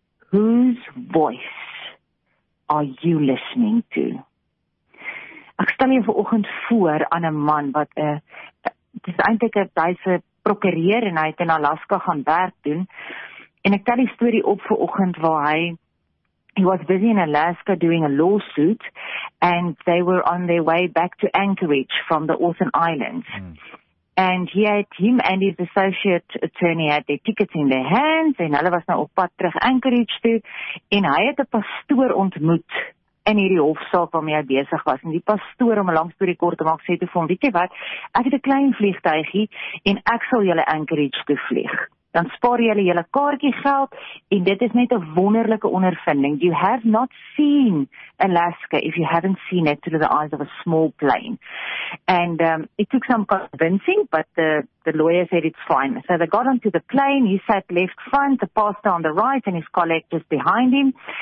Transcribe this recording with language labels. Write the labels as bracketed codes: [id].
[en] Whose voice are you listening to? [af] Ek stel jou vanoggend voor aan 'n man wat 'n dis eintlik 'n Duitse prokureur en hy het in Alaska gaan werk doen. En ek tel die storie op vanoggend waar hy [en] he was busy in Alaska doing a lawsuit and they were on their way back to Anchorage from the Orson Islands. And he had him and his associate attorney had their tickets in their hands [af] en hulle was nou op pad terug Anchorage toe en hy het 'n pastoor ontmoet in hierdie hofsaak waarmee hy besig was en die pastoor om 'n lang storie kort te maak sê toe vir hom, weet jy wat, ek het 'n klein vliegtuigie en ek sal julle Anchorage toe vlieg. Dan spaar jy julle kaartjie geld en dit is net 'n wonderlike ondervinding. [en] You have not seen Alaska if you haven't seen it through the eyes of a small plane. And it took some convincing, but the lawyer said it's fine. So they got onto the plane, he sat left front, the pastor on the right and his colleague just behind him.